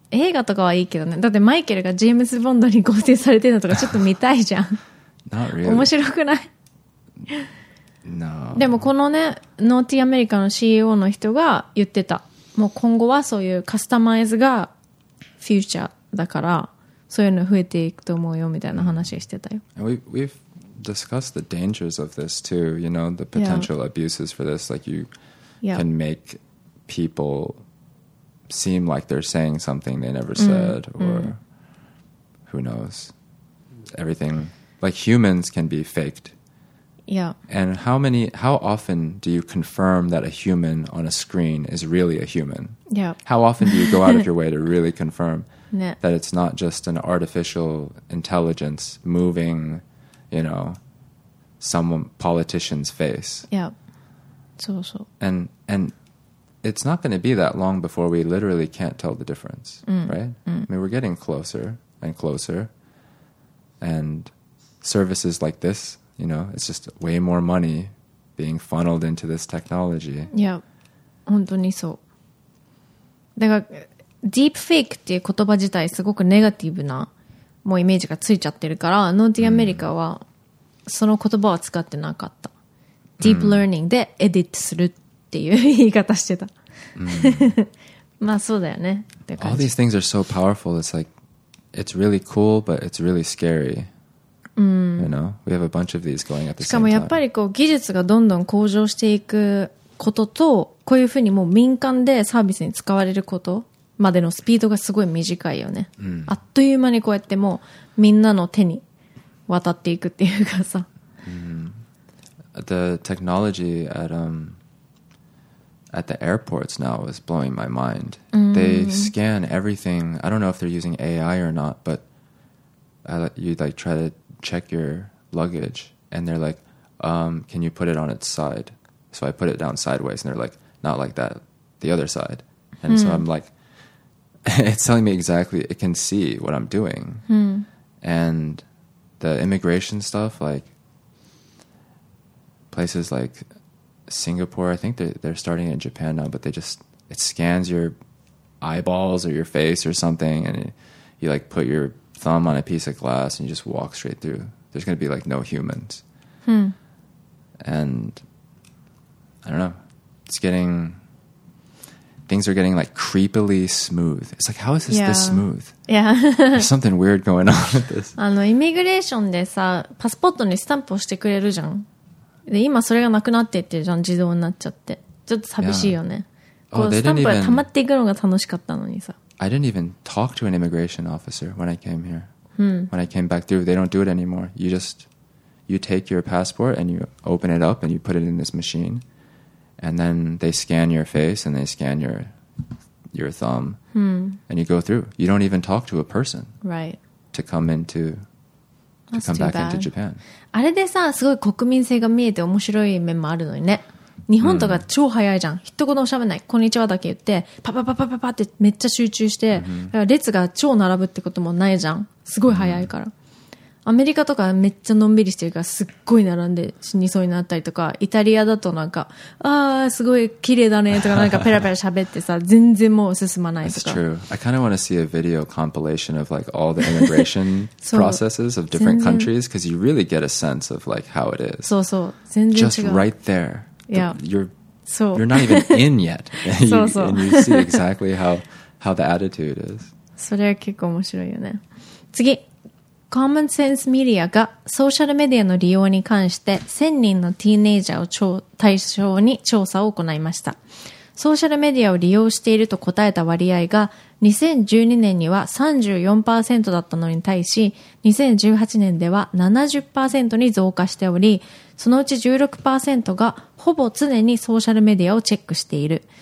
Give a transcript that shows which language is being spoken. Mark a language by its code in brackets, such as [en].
[ja] 映画とかはいいけどね。だってマイケルがジェームズ・ボンドに合成されてるのとかちょっと見たいじゃん。 [en] Not really. [ja] 面白くない [en] No. [ja] でもこのね、ノーティーアメリカの CEO の人が言ってた。もう今後はそういうカスタマイズがフューチャーだから、そういうの増えていくと思うよみたいな話してたよ。 [en] We've discussed the dangers of this too, you know, the potential abuses for this. Like you can make people... seem like they're saying something they never said or who knows everything like humans can be faked yeah and how often do you confirm that a human on a screen is really a human yeah how often do you go out of your way to really confirm that it's not just an artificial intelligence moving you know some politician's face yeah so so andIt's not going to be that long before we literally can't tell the difference, right? I mean, we're getting closer and closer. And services like this, you know, it's just way more money being funneled into this technology. Yeah, [ja] 本当にそう。だから、deep fake っていう言葉自体すごくネガティブなもうイメージがついちゃってるから、ノーティーアメリカはその言葉は使ってなかった。 Deep learning でエディットするっていう言い方してた。まあそうだよね。 [en] All these things are so powerful. It's like, it's really cool, but it's really scary. You know, we have a bunch of these going at the same time. [ja] しかもやっぱりこう技術がどんどん向上していくことと、こういうふうにもう民間でサービスに使われることまでのスピードがすごい短いよね。あっという間にこうやってもうみんなの手に渡っていくっていうかさ。 [en] The technology at at the airports now is blowing my mind. They scan everything. I don't know if they're using AI or not, but you like try to check your luggage and they're like, can you put it on its side? So I put it down sideways and they're like, not like that, the other side. And so I'm like, it's telling me exactly, it can see what I'm doing. And the immigration stuff, like places like... Singapore, I think they're starting in Japan now, but they just, it scans your eyeballs or your face or something, and you like put your thumb on a piece of glass and you just walk straight through. There's going to be like no humans. And I don't know, it's getting, things are getting like creepily smooth. It's like, how is this this smooth? Yeah. There's something weird going on with this. [ja] あの、イミグレーションでさ、パスポートにスタンプをしてくれるじゃん。で今それがなくなっていってるじゃん自動になっちゃってちょっと寂しいよね、 [en] yeah. oh, [ja] こうスタンプが溜まっていくのが楽しかったのにさ [en] I didn't even talk to an immigration officer when I came here when I came back through they don't do it anymore you just you take your passport and you open it up and you put it in this machine and then they scan your face and they scan your thumb and you go through you don't even talk to a person right to come intoTo come back into Japan. [ja] あれでさ、すごい国民性が見えて面白い面もあるのにね。日本とか超早いじゃん。一言も喋らない。こんにちはだけ言って、パパパパパパってめっちゃ集中して、だから列が超並ぶってこともないじゃん。すごい早いから。アメリカとかめっちゃのんびりしてるからすっごい並んで死にそうになったりとか、イタリアだとなんか、ああ、すごい綺麗だねとかなんかペラペラ喋ってさ、全然もう進まないとか。 [en] That's true. I kind of want to see a video compilation of like all the immigration processes of different countries because you really get a sense of like how it is. [ja] そうそう。全然違う。 [en] Just right there. Yeah. You're not even in yet. [ja] そうそう。 [en] And you see exactly how the attitude is. [ja] それは結構面白いよね。次。Common Sense Media がソーシャルメディアの利用に関して1000人のティーネイジャーを対象に調査を行いました。ソーシャルメディアを利用していると答えた割合が2012年には 34% だったのに対し、2018年では 70% に増加しており、そのうち 16% がほぼ常にソーシャルメディアをチェックしている。